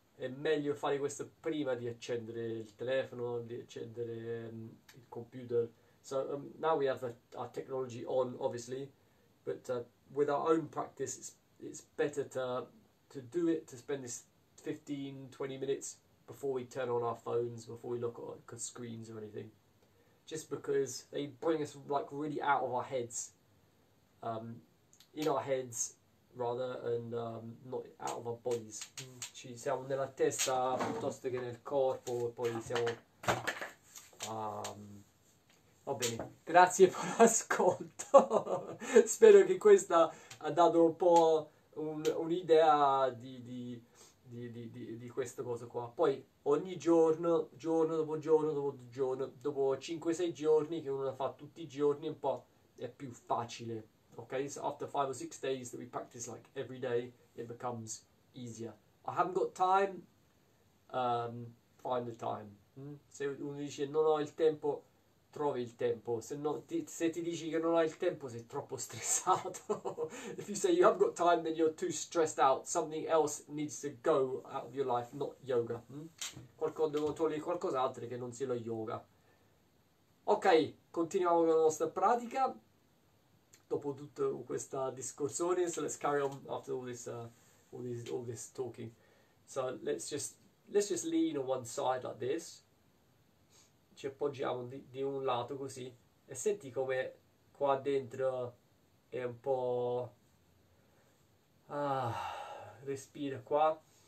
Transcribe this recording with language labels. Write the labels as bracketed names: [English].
[Italian] È meglio fare questo prima di accendere il telefono, di accendere il computer. [English] So, now we have our technology on, obviously, but with our own practice, it's better to do it, to spend this 15-20 minutes before we turn on our phones, before we look at screens or anything. Just because they bring us like really out of our heads, in our heads rather, and not out of our bodies. [Italian] Ci siamo nella testa piuttosto che nel corpo, e poi siamo. Va bene, grazie per l'ascolto. Spero che questa ha dato un po' un'idea di questa cosa qua. Poi ogni giorno, giorno dopo giorno dopo giorno, dopo 5-6 giorni che uno la fa tutti i giorni, un po' è più facile. Ok? [English] So after 5 or 6 days that we practice like every day, it becomes easier. I haven't got time, find the time. [Italian] Se uno dice non ho il tempo, trovi il tempo. Se no, se ti dici che non hai il tempo, sei troppo stressato. [English] If you say you have got time, then you're too stressed out. Something else needs to go out of your life, not yoga. [Italian] Qualcuno, devo togliere qualcos'altro che non sia lo yoga. Ok, continuiamo con la nostra pratica. Dopo tutto questo discorsone, [English] so let's carry on after all this talking. So let's just lean on one side like this. [Italian] Ci appoggiamo di un lato così e senti come qua dentro è un po'. Respira qua.